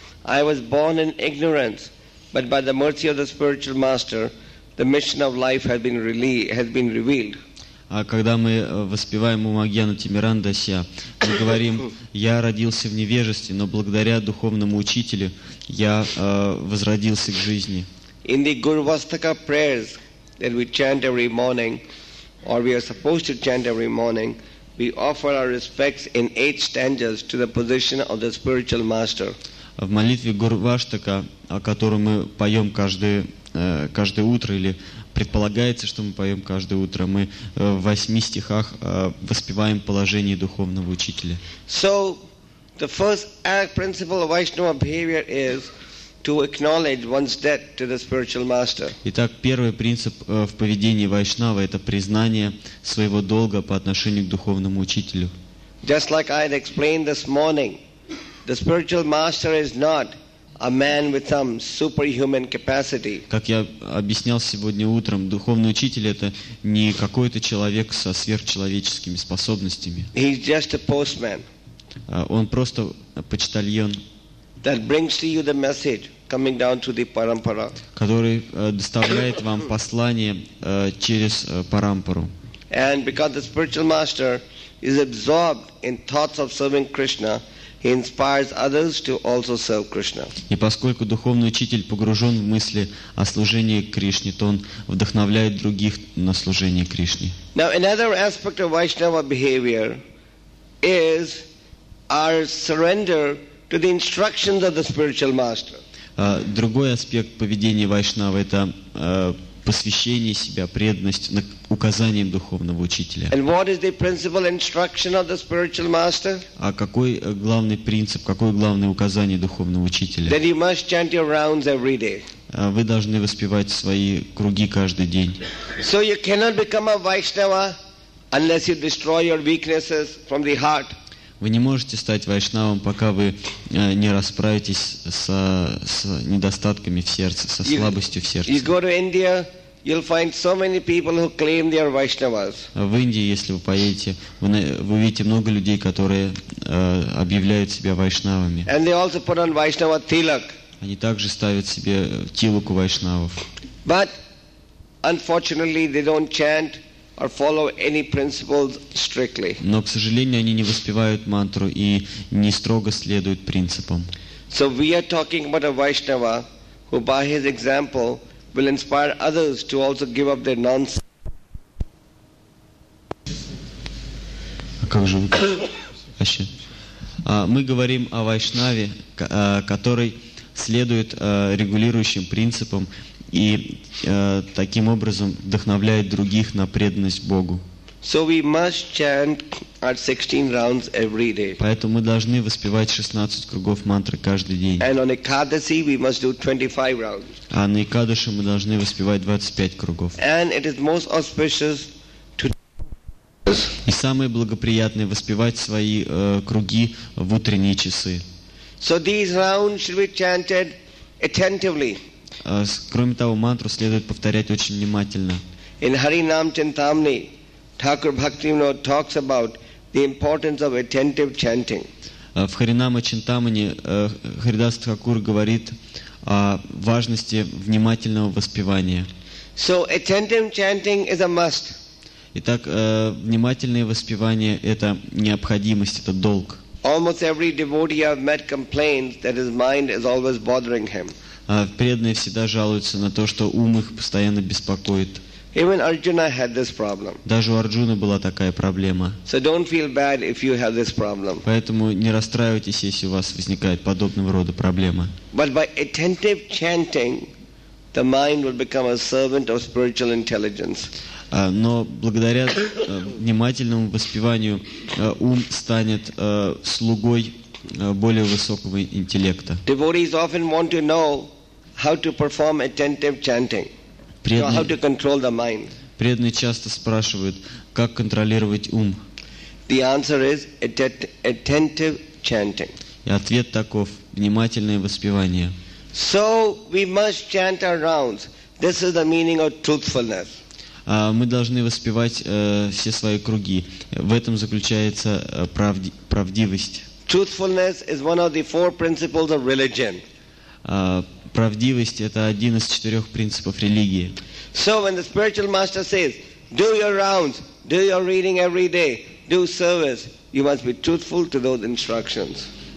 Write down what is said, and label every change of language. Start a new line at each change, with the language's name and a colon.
English: I was born in ignorance, but by the mercy of the spiritual master, the mission of life has been revealed.
Russian: А когда мы воспеваем Умагьяну Тимирандасья, мы говорим: «Я родился в невежестве, но благодаря духовному учителю я возродился к жизни».
English: In the Gurvastaka prayers that we chant every morning, or we are supposed to chant every morning, we offer our respects in 8 stanzas to the position of the spiritual master.
Russian: В молитве Гурваштака, о которой мы поем каждое утро, или предполагается, что мы поем каждое утро, мы в 8 стихах воспеваем положение духовного учителя.
English: So, the first principle of Vaishnava behavior is to acknowledge one's debt to the spiritual master.
Russian: Итак, первый принцип в поведении вайшнава — это признание своего долга по отношению к духовному учителю.
English: Just like I had explained this morning, the spiritual master is not a man with some superhuman capacity.
Russian: Как я объяснял сегодня утром, духовный учитель — это не какой-то человек со сверхчеловеческими способностями.
English: He's just a postman.
Russian: Он просто почтальон.
English: That brings to you the message coming down to the parampara.
Russian: Который доставляет вам послание через парампару.
English: And because the spiritual master is absorbed in thoughts of serving Krishna, he inspires others to also serve Krishna.
Russian: И поскольку духовный учитель погружен в мысли о служении Кришне, то он вдохновляет других на служение Кришне.
English: Now another aspect of Vaishnava behavior is our surrender to the instructions of the spiritual master.
Russian: Другой аспект поведения вайшнава — это посвящение себя, преданность на указание духовного учителя.
English: And what is the principal instruction of the spiritual master?
Russian: А какой главный принцип, какое главное указание духовного учителя?
English: That you must chant your rounds every day.
Russian: Вы должны воспевать свои круги каждый день.
English: So you cannot become a Vaishnava unless you destroy your weaknesses from the heart.
Russian: Вы не можете стать вайшнавом, пока вы не расправитесь с недостатками в сердце, со слабостью в сердце.
English: You go to India, you'll find so many people who claim they are Vaishnavas.
Russian: В Индии, если вы поедете, вы увидите много людей, которые объявляют себя вайшнавами.
English: And they also put on Vaishnava tilak.
Russian: Они также ставят себе тилаку вайшнавов.
English: But unfortunately, they don't chant or follow any principles strictly.
Russian: Но, к сожалению, они не воспевают мантру и не строго следуют принципам.
English: So we are talking about a Vaishnava who by his example will inspire others to also give up their nonsense.
Russian: А как же вы? Вообще. Мы говорим о вайшнаве, который следует регулирующим принципам и таким образом вдохновляет других на преданность Богу.
English: So we must chant our 16 rounds every day.
Russian: Поэтому мы должны воспевать 16 кругов мантры каждый день.
English: And on Ekadasi we must do 25 rounds.
Russian: А на Экадаши мы должны воспевать 25 кругов.
English: And it is most auspicious to...
Russian: И самое благоприятное — воспевать свои круги в утренние часы.
English: So these rounds should be chanted attentively.
Russian: Кроме того, мантру следует повторять очень внимательно.
English: In Harinam Chintamani, Thakur Bhaktivinoda talks about the importance of attentive chanting.
Russian: В Харинама Чинтамани Харидас Тхакур говорит о важности внимательного воспевания.
English: So attentive chanting is a must.
Russian: Итак, внимательное воспевание — это необходимость, это долг.
English: Almost every devotee I've met complains that his mind is always bothering him.
Russian: Преданные всегда жалуются на то, что ум их постоянно беспокоит.
English: Even Arjuna had this problem.
Russian: Даже у Арджуны была такая проблема.
English: So don't feel bad if you have this problem.
Russian: Поэтому не расстраивайтесь, если у вас возникает подобного рода проблема.
English: But by attentive chanting, the mind will become a servant of spiritual intelligence.
Russian: Но благодаря внимательному воспеванию ум станет слугой более высокого интеллекта.
English: Devotees often want to know how to perform attentive chanting, how to control the mind.
Russian: Преданные часто спрашивают, как контролировать ум.
English: The answer is attentive chanting.
Russian: И ответ таков: внимательное воспевание.
English: So we must chant our rounds. This is the meaning of truthfulness.
Russian: Мы должны воспевать все свои круги. В этом заключается правдивость.
English: Truthfulness is one of the 4 principles of religion.
Russian: Правдивость — это один из 4 принципов религии.
English: So when the spiritual master says, do your rounds, do your reading every day, do service, you must be truthful to those instructions.